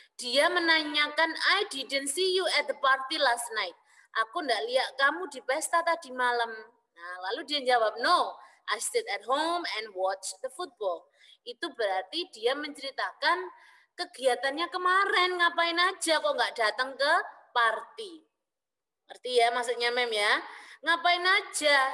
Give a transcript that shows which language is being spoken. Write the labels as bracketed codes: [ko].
[id] Dia menanyakan, [en] I didn't see you at the party last night. [id] Aku enggak lihat kamu di pesta tadi malam. Nah, lalu dia jawab, [en] no, I stayed at home and watched the football. [id] Itu berarti dia menceritakan, kegiatannya kemarin, ngapain aja kok nggak datang ke party. Ngerti ya maksudnya mem ya? Ngapain aja?